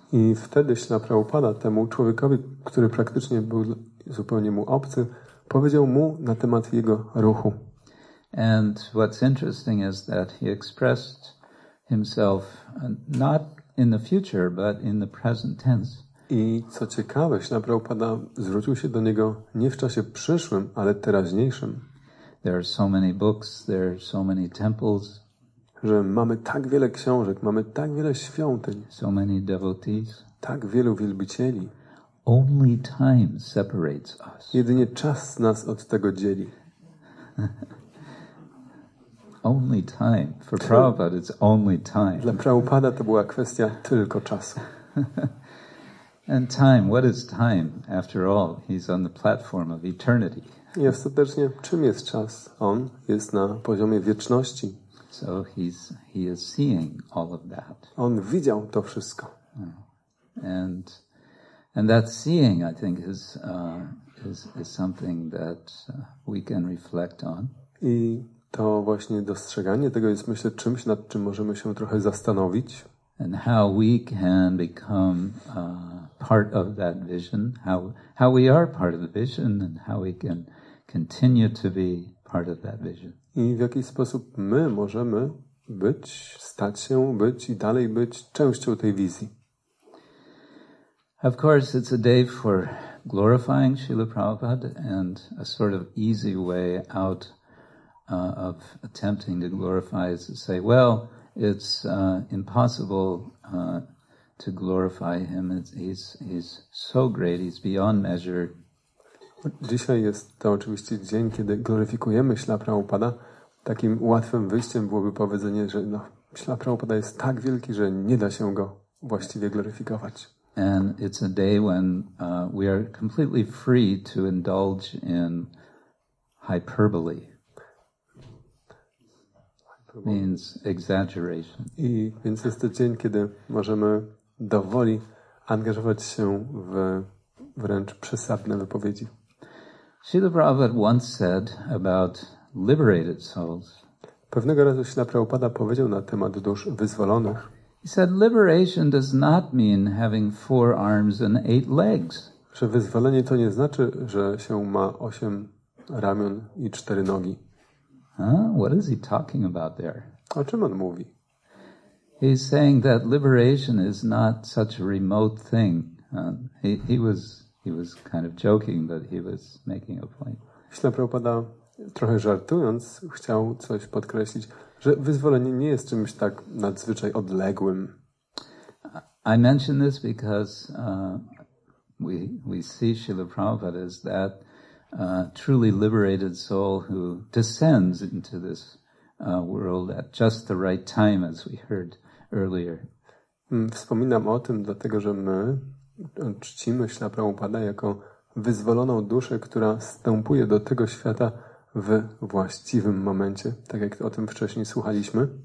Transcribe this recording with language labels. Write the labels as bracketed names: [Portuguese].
[Polish] I wtedy Śla Prabhupada temu człowiekowi, który praktycznie był zupełnie mu obcy, powiedział mu na temat jego ruchu. [English] And what's interesting is that he expressed himself not in the future, but in the present tense. [Polish] I co ciekawe, Śla Prabhupada zwrócił się do niego nie w czasie przyszłym, ale teraźniejszym. [English] There are so many books, there are so many temples. [Polish] Że mamy tak wiele książek, mamy tak wiele świątyń. [English] So many devotees. [Polish] Tak wielu wielbicieli. [English] Only time separates us. [Polish] Jedynie czas nas od tego dzieli. [English] Only time. For Prabhupada it's only time. [Polish] Dla Prabhupada to była kwestia tylko czasu. [English] And time, what is time? After all, he's on the platform of eternity. [Polish] I ostatecznie, czym jest czas? On jest na poziomie wieczności. [English] So he is seeing all of that. [Polish] On widział to wszystko. [English] And that seeing, I think, is something that we can reflect on. [Polish] I to właśnie dostrzeganie tego jest, myślę, czymś, nad czym możemy się trochę zastanowić. [English] And how we can become part of that vision, how we are part of the vision, and how we can continue to be part of that vision. [Polish] I w jaki sposób my możemy być, stać się, być i dalej być częścią tej wizji. [English] Of course, it's a day for glorifying Srila Prabhupada and a sort of easy way out of attempting to glorify is to say, well, it's impossible to glorify him. He's so great. He's beyond measure. [Polish] Dzisiaj jest to oczywiście dzień, kiedy gloryfikujemy Śla Prabhupada. Takim łatwym wyjściem byłoby powiedzenie, że no, Śla Prabhupada jest tak wielki, że nie da się go właściwie gloryfikować. [English] And it's a day when we are completely free to indulge in hyperbole. Means exaggeration. [Polish] I więc jest to dzień, kiedy możemy dowoli angażować się w wręcz przesadne wypowiedzi. [English] Śrīla Prabhupāda once said about liberated souls. [Polish] Pewnego razu Śrīla Prabhupāda powiedział na temat dusz wyzwolonych. [English] He said liberation does not mean having four arms and eight legs. [Polish] Że wyzwolenie to nie znaczy, że się ma osiem ramion i cztery nogi. [English] What is he talking about there? [Polish] O czym on mówi? [English] He's saying that liberation is not such a remote thing. He was kind of joking, but he was making a point. [Polish] Śrīla Prabhupāda, trochę żartując, chciał coś podkreślić, że wyzwolenie nie jest czymś tak nadzwyczaj odległym. [English] I mention this because we see Śrīla Prabhupāda as that truly liberated soul who descends into this world at just the right time, as we heard earlier. [Polish] Wspominam o tym, dlatego że my czcimy Śrīla Prabhupādę jako wyzwoloną duszę, która wstępuje do tego świata w właściwym momencie, tak jak o tym wcześniej słuchaliśmy.